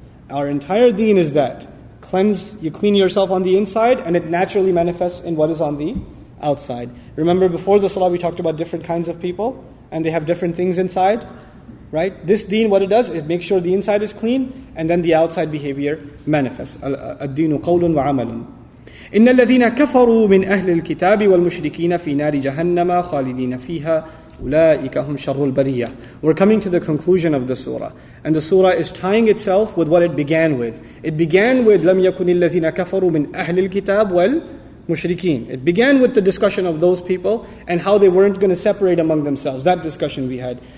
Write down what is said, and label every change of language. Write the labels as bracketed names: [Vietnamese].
[English] Our entire deen is that. You clean yourself on the inside, and it naturally manifests in what is on the outside. Remember before the salah, we talked about different kinds of people, and they have different things inside, right? This deen, what it does is make sure the inside is clean, and then the outside behavior manifests. [Arabic] Ad-deenu qawlun wa amalun. إن الذين كفروا من أهل الكتاب والمشركين في نار جهنم خالدين فيها أُولَٰئِكَ هُمْ شَرُّ الْبَرِيَّةِ. [English] We're coming to the conclusion of the surah. And the surah is tying itself with what it began with. It began with [Arabic] لَمْ يَكُنِ الَّذِينَ كَفَرُوا مِنْ أَهْلِ الْكِتَابِ وَالْمُشْرِكِينَ. [English] It began with the discussion of those people and how they weren't going to separate among themselves. That discussion we had.